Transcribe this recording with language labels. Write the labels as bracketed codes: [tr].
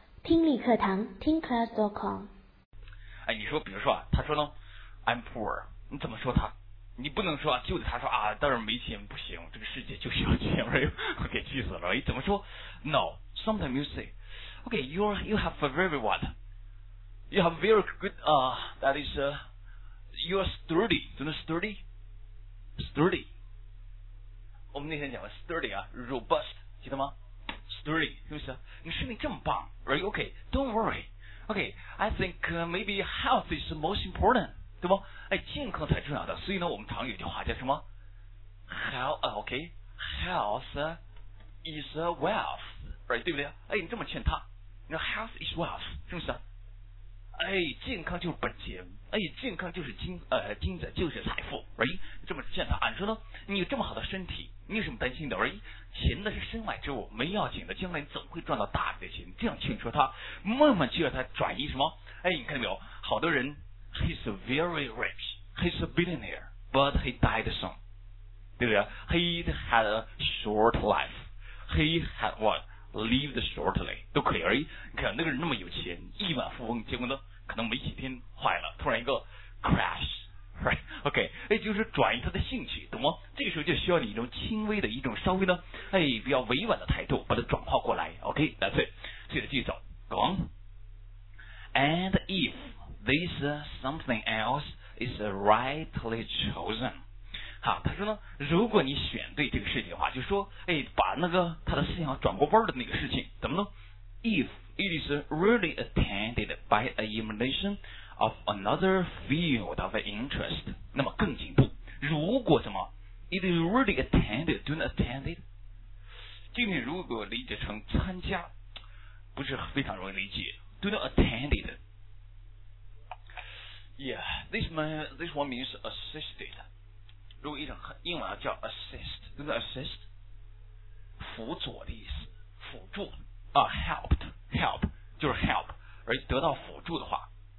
[zh] 听力课堂，听 class.com。哎，你说，比如说，他说呢 ， [en] I'm poor， [zh] 你怎么说他？你不能说就得他说啊，但是没钱不行，这个世界就需要钱，给气死了。怎么说 [en] ？No， sometimes you say， okay， you have a very what？ You have very good that is you are sturdy， you know sturdy？ Sturdy。 [zh] 我们那天讲了 sturdy 啊 ，robust， 记得吗？ Sturdy， 是不是？你身体这么棒 ，right? [en] Okay, don't worry. Okay, I think maybe health is most important， [zh] 对吗？哎，健康才重要的。所以呢，我们常有句话叫什么 ？ [en] Health, okay, health is wealth， right？ [zh] 对不对？哎，你这么劝他，你说 [en] health is wealth， [zh] 是不是？哎，健康就是本钱，哎，健康就是金子，就是财富 ，right？这么劝他，俺说呢，你有这么好的身体，你有什么担心的 ？right？钱那是身外之物，没要紧的，将来你总会赚到大笔的钱。这样劝说他，慢慢就要他转移什么？哎，你看到没有？ [en] 好多人 ，he's very rich， he's a billionaire， but he died soon， [zh] 对不对 [en] ？He had a short life， he had what lived shortly， [zh] 都可以而已。你看那个人那么有钱，亿万富翁，结果呢，可能没几天坏了，突然一个 crash。 [en] Right, OK， [zh] 哎，就是转移他的兴趣，懂吗？这个时候就需要你一种轻微的一种稍微呢，哎，比较委婉的态度，把它转化过来。 [en] OK， that's it， [zh] 接着继续走 [en] ，Go on。 And if this something else is rightly chosen， [zh] 好，他说呢，如果你选对这个事情的话，就说，哎，把那个他的思想转过弯的那个事情，怎么呢 [en] ？If it is really attended by a emulation。 Of another field of interest， [zh] 那么更进步。如果什么 [en] ，it is really attended， don't attend it。 [zh] 这里如果理解成参加，不是非常容易理解。 [en] Don't attend it。 Yeah， this one means assisted。 [zh] 如果英文叫 assist， [en] don't assist， [zh] 辅佐的意思，辅助啊 ，helped 就是 help， 而得到辅助的话。